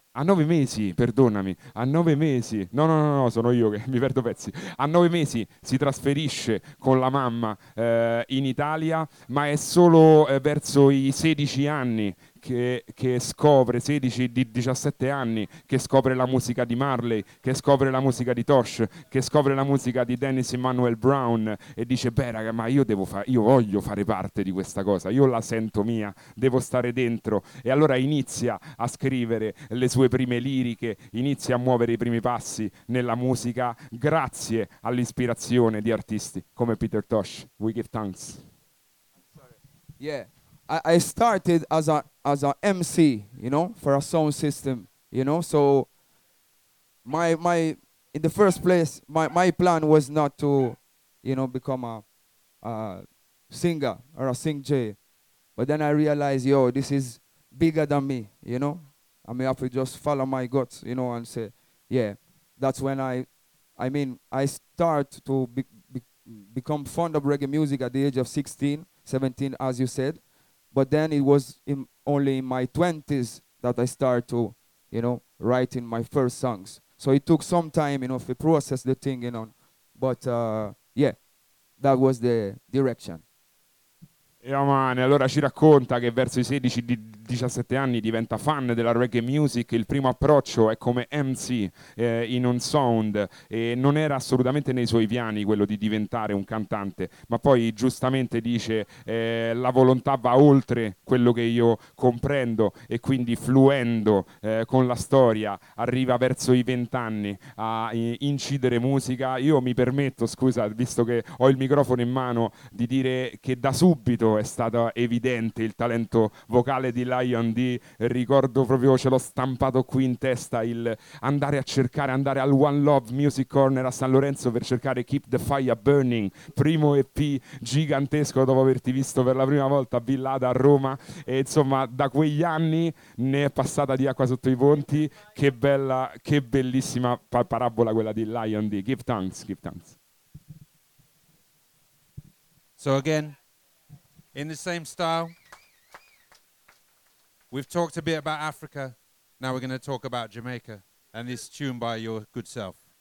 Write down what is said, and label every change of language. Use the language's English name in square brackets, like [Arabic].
[Italian] A nove mesi si trasferisce con la mamma in Italia, ma è solo verso i 16 anni che scopre, 16 di 17 anni, che scopre la musica di Marley, che scopre la musica di Tosh, che scopre la musica di Dennis Emmanuel Brown e dice, beh raga, ma io voglio fare parte di questa cosa, io la sento mia, devo stare dentro. E allora inizia a scrivere le sue prime liriche, inizia a muovere i primi passi nella musica grazie all'ispirazione di artisti come Peter Tosh. [English] We give thanks. Yeah, I started as a MC, you know, for a sound system, you know. So my in the first place, my plan was not to, you know, become a singer or a sing J. But then I realized, yo, this is bigger than me, you know. I may have to just follow my guts, you know, and say, yeah. That's when I start to become fond of reggae music at the age of 16, 17, as you said. But then it was only in my 20s that I started to, you know, writing my first songs. So it took some time, you know, to process the thing, you know. But yeah, that was the direction. [Italian] Yeah, man. Allora ci racconta che verso i 16 di 17 anni diventa fan della reggae music, il primo approccio è come MC in un sound, e non era assolutamente nei suoi piani quello di diventare un cantante, ma poi giustamente dice la volontà va oltre quello che io comprendo, e quindi fluendo con la storia arriva verso i 20 anni a incidere musica. Io mi permetto, scusa, visto che ho il microfono in mano, di dire che da subito è stato evidente il talento vocale di Lion D. Ricordo proprio, ce l'ho stampato qui in testa, il andare a cercare, andare al One Love Music Corner a San Lorenzo per cercare Keep the Fire Burning, primo EP gigantesco dopo averti visto per la prima volta a Villada a Roma. E insomma, da quegli anni ne è passata di acqua sotto i ponti. Che bella, che bellissima parabola quella di Lion D. [English] Give thanks, give thanks. So again, in the same style, we've talked a bit about Africa, now we're going to talk about Jamaica, and this tune by your good self.